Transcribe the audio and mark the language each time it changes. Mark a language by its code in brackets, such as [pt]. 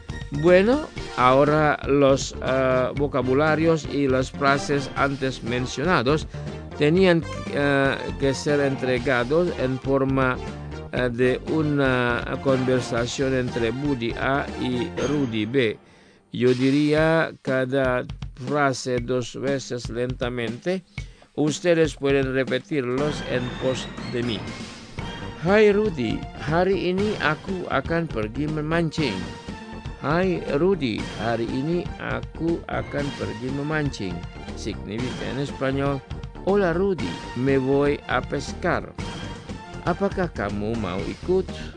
[es] Bueno, ahora los vocabularios y las frases antes mencionados tenían que ser entregados en forma de una conversación entre Budi A y Rudy B. Yo diría cada frase dos veces lentamente. Ustedes pueden repetirlos en pos de mí. [id] Hai Rudy, hari ini aku akan pergi memancing. Hai Rudy, hari ini aku akan pergi memancing. [es] Significa en español, hola Rudy, me voy a pescar. [id] Apakah kamu mau ikut?